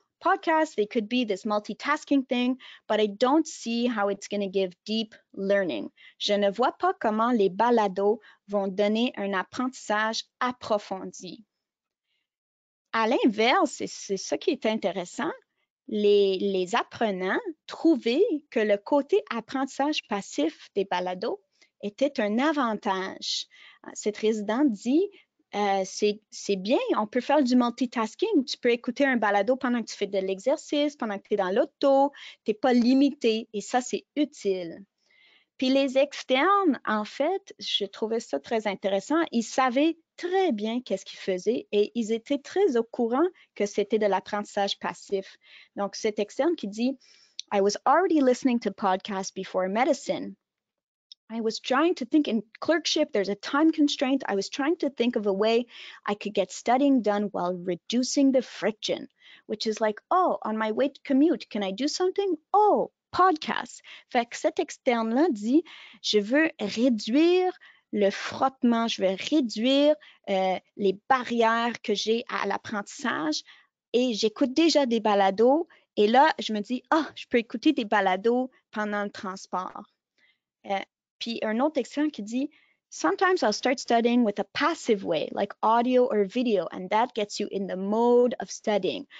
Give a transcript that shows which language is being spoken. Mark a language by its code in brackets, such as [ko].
[en] Podcasts, they could be this multitasking thing, but I don't see how it's going to give deep learning. [fr] Je ne vois pas comment les balados vont donner un apprentissage approfondi. À l'inverse, et c'est ça qui est intéressant, les apprenants trouvaient que le côté apprentissage passif des balados était un avantage. Cette résidente dit, c'est bien, on peut faire du multitasking. Tu peux écouter un balado pendant que tu fais de l'exercice, pendant que tu es dans l'auto, tu n'es pas limité et ça, c'est utile. Puis les externes, en fait, je trouvais ça très intéressant. Ils savaient très bien qu'est-ce qu'ils faisaient et ils étaient très au courant que c'était de l'apprentissage passif. Donc, cet externe qui dit, [en] I was already listening to podcasts before medicine. I was trying to think in clerkship, there's a time constraint. I was trying to think of a way I could get studying done while reducing the friction, which is like, oh, on my way to commute, can I do something? Oh, podcast. [fr] Fait que cet externe-là dit, je veux réduire le frottement, je veux réduire les barrières que j'ai à l'apprentissage et j'écoute déjà des balados et là, je me dis, oh, je peux écouter des balados pendant le transport. Puis un autre extrait qui dit, [en] sometimes I'll start studying with a passive way, like audio or video, and that gets you in the mode of studying.